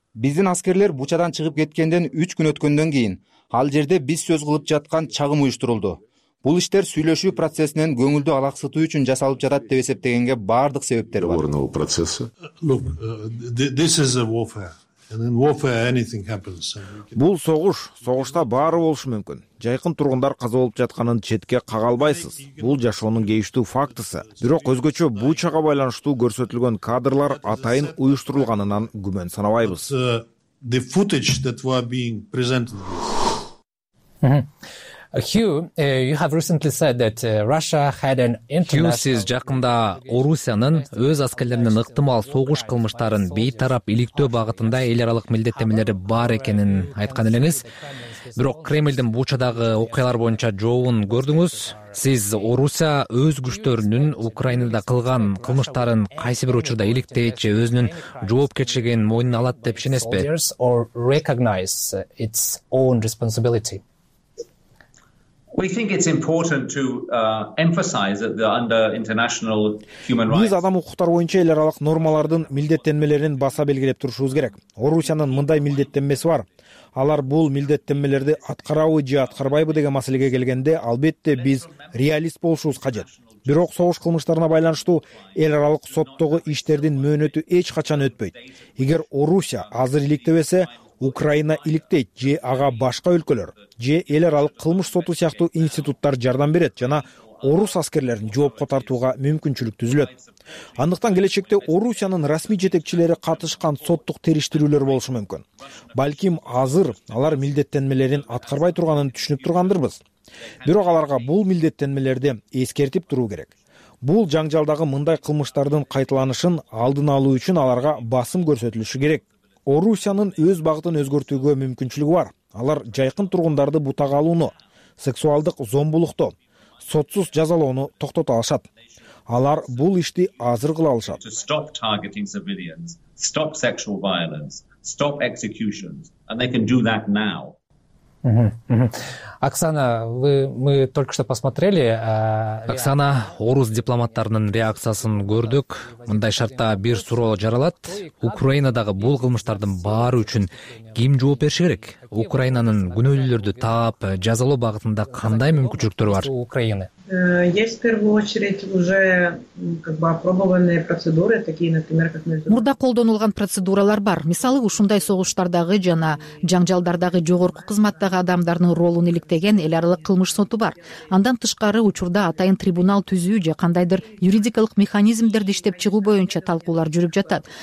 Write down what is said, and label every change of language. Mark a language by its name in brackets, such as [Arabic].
[Kyrgyz] Биздин аскерлер Бучадан чыгып кеткенден 3 күн өткөндөн кийин ал жерде биз сөз кылып жаткан чагым уюштурулду. Бул иштер сүйлөшүү процессинен көңүлдү алаксытуу үчүн жасалып жатат деп эсептегенге баардык себептер бар. Орнолу процесси. [English] Look, this is a warfare. And in warfare anything happens. [Kyrgyz] Бул согуш, согушта баары болушу мүмкүн. Жайкын тургундар каза болуп жатканын четке кага албайсыз. Бул жашоонун кейиштүү фактысы. Бирок өзгөчө Бучага байланыштуу көрсөтүлгөн кадрлар атайын уюштурулганынан күмөн санабайбыз. [English] The footage that were being presented. Hugh, you have recently said that Russia had an international... [Kyrgyz] Hugh, сиз жакында Орусиянын өз аскерлеринин ыктымал согуш кылмыштарын бейтарап иликтөө багытында эл аралык милдеттенмелери бар экенин айткан элеңиз. Бирок Кремлдин Бучадагы окуялар боюнча жообун көрдүңүз. Сиз Орусия өз күчтөрүнүн Украинада кылган кылмыштарын кайсы бир учурда иликтейт же өзүнүн жоопкерчилигин мойнуна алат деп ишенесизби? [English] Or recognize its own responsibility. We think it's important to emphasize that the under international human rights [Kyrgyz] биз адам укуктары боюнча эл аралык нормалардын милдеттенмелерин баса белгилеп турушубуз керек. Орусиянын мындай милдеттенмеси бар. Алар бул милдеттенмелерди аткарабы же аткарбайбы деген маселеге келгенде, албетте биз реалист болушубуз кажет. Бирок согуш кылмыштарына байланыштуу эл аралык соттогу иштердин мөөнөтү эч качан өтпөйт. Эгер Орусия азыр иликтебесе, Украина иликтейт же ага башка өлкөлөр же эл аралык кылмыш соту сыяктуу институттар жардам берет жана орус аскерлерин жоопко тартууга мүмкүнчүлүк түзүлөт. Андыктан келечекте Орусиянын расмий жетекчилери катышкан соттук териштирүүлөр болушу мүмкүн. Балким азыр алар милдеттенмелерин аткарбай турганын түшүнүп тургандырбыз. Бирок аларга бул милдеттенмелерди эскертип туруу керек. Бул жаңжалдагы мындай кылмыштардын кайталанышын алдын алуу үчүн аларга басым көрсөтүлүшү керек. Орусиянын өз багытын өзгөртүүгө мүмкүнчүлүгү бар. Алар жайкын тургундарды бутага алууну, сексуалдык зомбулукту, сотсуз жазалоону токтото алышат. Алар бул ишти азыр кыла алышат. [English] Stop targeting civilians, stop sexual violence, stop executions, and they can do that now. [Russian] Оксана, мы только что посмотрели. [Kyrgyz] Оксана, орус дипломаттарынын реакциясын көрдүк. Мындай шартта бир суроо жаралат. Украинадагы бул кылмыштардын баары үчүн ким жооп бериши керек? Украинанын күнөөлүүлөрдү таап, жазалоо багытында кандай мүмкүнчүлүктөр бар? Украина. [Russian] Есть в первую очередь уже опробованные процедуры, такие, например, как между... [Kyrgyz] Мурда колдонулган процедуралар бар. Мисалы, ушундай согуштардагы жана жаңжалдардагы жогорку кызматтагы адамдардын ролун иликтеген эл аралык кылмыш соту бар. Андан тышкары учурда атайын трибунал түзүү же кандайдыр юридикалык механизмдерди иштеп чыгуу боюнча талкуулар жүрүп жатат.